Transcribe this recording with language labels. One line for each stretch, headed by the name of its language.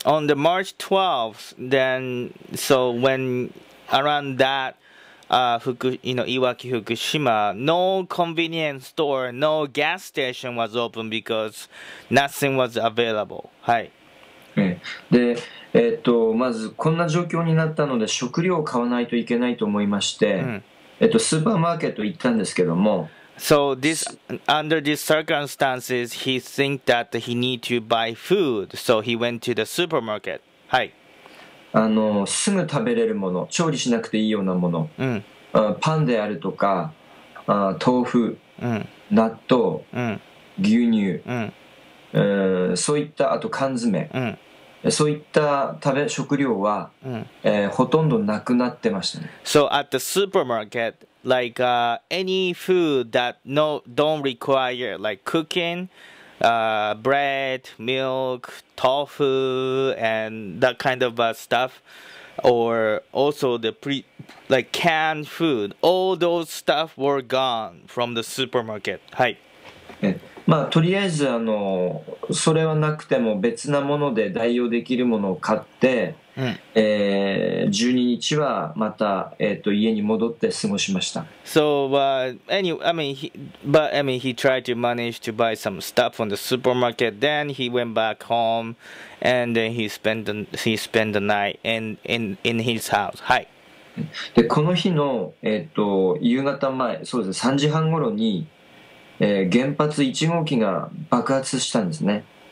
English: On the March 12th, then so when around that, Iwaki Fukushima, no convenience store, no gas station was open because nothing was available.
Japanese: はい。で、まずこんな状況になったので食料を買わないといけないと思いまして、 mm. スーパーマーケット行ったんですけども。
English: So this, under these circumstances, he think that he need to buy food. So he went to the supermarket.
Japanese: はい。すぐ食べれるもの、調理しなくていいようなもの。うん。パンであるとか、豆腐。うん。納豆。うん。牛乳。うん。そういったあと缶詰。うん。そういった食料は、うん。ほとんどなくなってましたね。
English: So at the supermarket. Like any food that no don't require like cooking, bread, milk, tofu, and that kind of stuff, or also the canned food, all those stuff were gone from the supermarket.
Japanese: はい。まあとりあえずそれはなくても別なもので代用できるものを買って。うん 12日はまた家に戻って過ごしました。
English: So anyway, he tried to manage to buy some stuff from the supermarket. Then he went back home, and then he spent the night in his house.
Japanese: はい。でこの日の夕方前、そうですね、3時半頃に、原発1号機が爆発したんですね。